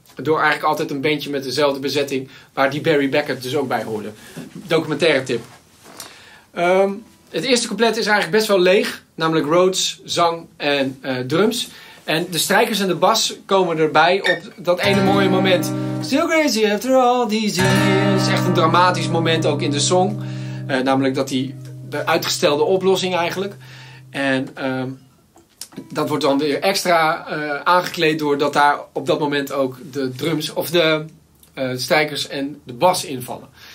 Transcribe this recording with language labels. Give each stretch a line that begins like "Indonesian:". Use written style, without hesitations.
Dutch: Door eigenlijk altijd een bandje met dezelfde bezetting waar die Barry Beckett dus ook bij hoorde. Documentaire tip. Het eerste couplet is eigenlijk best wel leeg. Namelijk Rhodes, zang en drums. En de strijkers en de bas komen erbij op dat ene mooie moment.
English: Still crazy after all these years.
Dutch: Echt een dramatisch moment ook in de song. Namelijk dat die de uitgestelde oplossing eigenlijk. En dat wordt dan weer extra aangekleed doordat daar op dat moment ook de drums of de strijkers en de bas invallen.